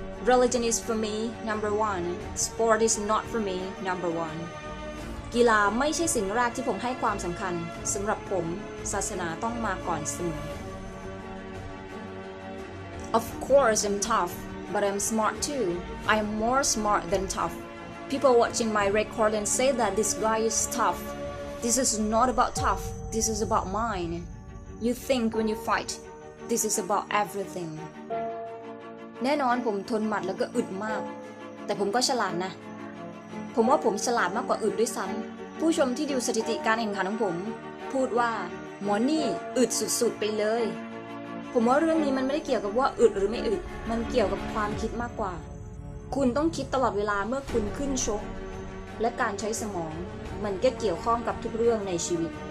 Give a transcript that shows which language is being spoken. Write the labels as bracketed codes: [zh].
[en] Religion is for me number one sport is not for me number one [th] กีฬาไม่ใช่สิ่งแรกที่ผมให้ความสำคัญสำหรับผมศาสนาต้องมาก่อนเสมอ [en] Of course I'm tough but I'm smart too I'm more smart than tough people watching my record and say that this guy is toughThis is not about tough, this is about mine. You think when you fight, this is about everything. [th] แน่นอนผมทนหมัดแล้วก็อึดมากแต่ผมก็ฉลาดนะผมว่าผมฉลาดมากกว่าอึดด้วยซ้ำผู้ชมที่ดูสถิติการแข่งขันของผมพูดว่าหมอนี่อึดสุดๆไปเลย ผมว่าเรื่องนี้มันไม่ได้เกี่ยวกับว่าอึดหรือไม่อึดมันเกี่ยวกับความคิดมากกว่าคุณต้องคิดตลอดเวลาเมื่อคุณขึ้นชกและการใช้สมองมันก็เกี่ยวข้องกับทุกเรื่องในชีวิต